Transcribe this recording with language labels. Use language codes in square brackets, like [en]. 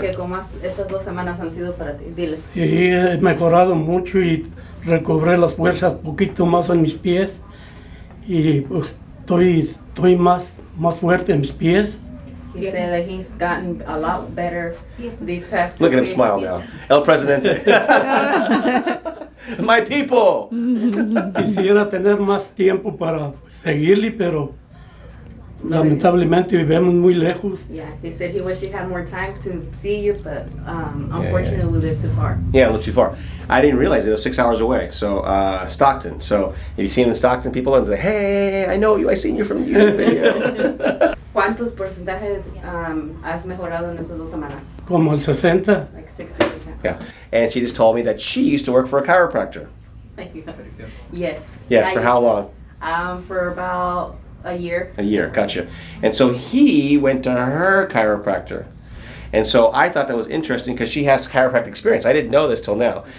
[es] Dile que como estas dos semanas han sido para ti. Diles. Sí, he mejorado mucho y recobré las fuerzas poquito más en mis pies. Y pues estoy más fuerte en mis pies. [en] He said that he's gotten a lot better these past 2 weeks. Look at him smile now. El Presidente. My people! [es] Quisiera tener más tiempo para seguirle, pero lamentablemente vivimos muy lejos. [en] Yeah, he said he wish he had more time to see you, but unfortunately yeah. We live too far. Yeah, a little too far. I didn't realize it was 6 hours away, so Stockton. So if you see him in Stockton, people are going to say, hey, I know you, I seen you from the YouTube video. [es] ¿Cuántos porcentajes has mejorado en estas dos semanas? Como el 60. [en] Like 60%. Yeah. And she just told me that she used to work for a chiropractor. Yes. Yes, yeah, for how long? For about A year, gotcha. And so he went to her chiropractor. And so I thought that was interesting because she has chiropractic experience. I didn't know this till now.